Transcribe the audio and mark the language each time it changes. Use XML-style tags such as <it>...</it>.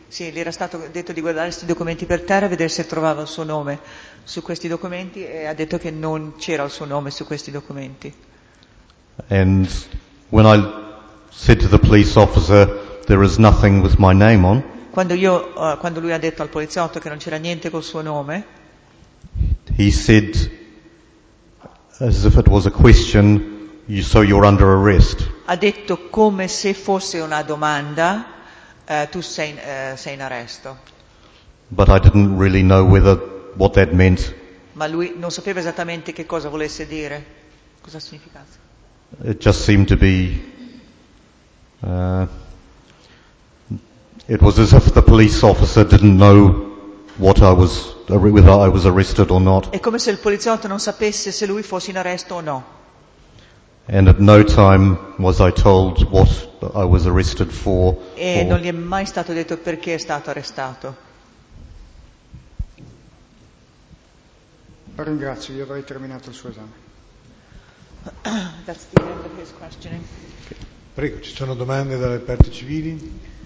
<it>Sì, gli era stato detto di guardare questi documenti per terra, vedere se trovava il suo nome su questi documenti, e ha detto che non c'era il suo nome su questi documenti.</it> <en>And when I said to the police officer, there is nothing with my name on.</en> <it>Quando lui ha detto al poliziotto che non c'era niente col suo nome.</it> <en>He said, as if it was a question. So you're under arrest.</en> <it>Ha detto come se fosse una domanda, tu sei in arresto.</it> <en>But I didn't really know whether what that meant.</en> <it>Ma lui non sapeva esattamente che cosa volesse dire, cosa significasse.</it> <en>It just seemed to be. It was as if the police officer didn't know what I was, whether I was arrested or not.</en> <it>È come se il poliziotto non sapesse se lui fosse in arresto o no.</it> <en>And at no time was I told what I was arrested for.</en> <it>E non gli è mai stato detto perché è stato arrestato. Ringrazio, io avrei terminato il suo esame.</it> <en>That's the end of his questioning.</en> <it>Prego, ci sono domande dalle parti civili?</it>